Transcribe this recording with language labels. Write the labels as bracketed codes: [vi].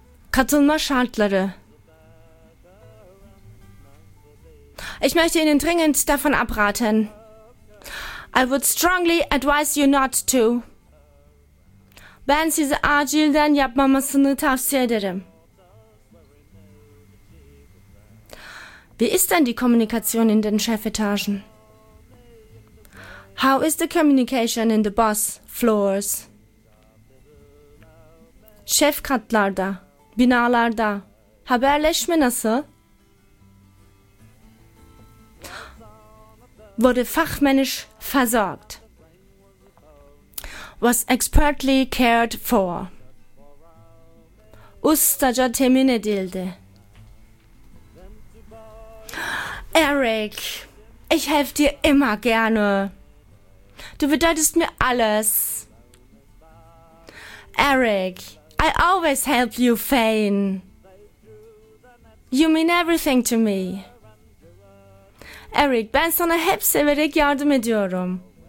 [tr] Katılma şartları. [de] Ich möchte Ihnen dringend davon abraten. [en] I would strongly advise you not to. [tr] Ben size acilden yapmamasını tavsiye ederim. [de] Wie ist denn die Kommunikation in den Chefetagen? [en] How is the communication in the boss floors? [tr] Chef katlarda, binalarda, haberleşme nasıl? [de] Wurde fachmännisch versorgt. [en] Was expertly cared for. [tr] Ustaca temin edildi. [de] Eric, ich helfe dir immer gerne. Du bedeutest mir alles. [en] Eric, I always help you, Fane. You mean everything to me. [tr] Eric, ben sana hep severek yardım ediyorum.